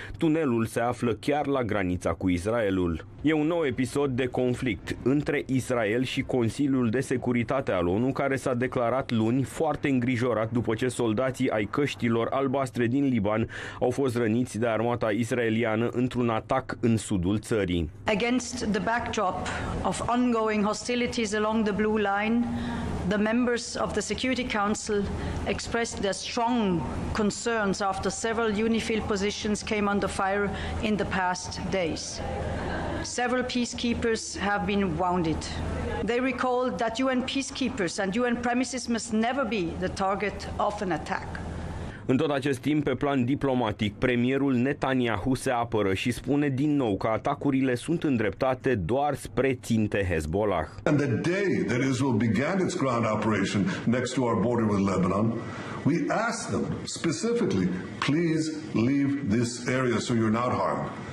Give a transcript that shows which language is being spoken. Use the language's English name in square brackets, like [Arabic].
[Romanian] Tunelul se află chiar la granița cu Israelul. E un nou episod de conflict între Israel și Consiliul de Securitate al ONU, care s-a declarat luni foarte îngrijorat după ce soldații ai căștilor albastre din Liban au fost răniți de armata israeliană într-un atac în sudul țării. [English] Against the backdrop of ongoing hostilities along the blue line, the members of the Security Council expressed their strong concerns after several UNIFIL positions came under fire in the past days. Several peacekeepers have been wounded. They recalled that UN peacekeepers and UN premises must never be the target of an attack. [Romanian] În tot acest timp, pe plan diplomatic, premierul Netanyahu se apără și spune din nou că atacurile sunt îndreptate doar spre ținte Hezbollah. [English] And the day that Israel began its ground operation next to our border with Lebanon, we asked them specifically, please leave this area so you're not harmed.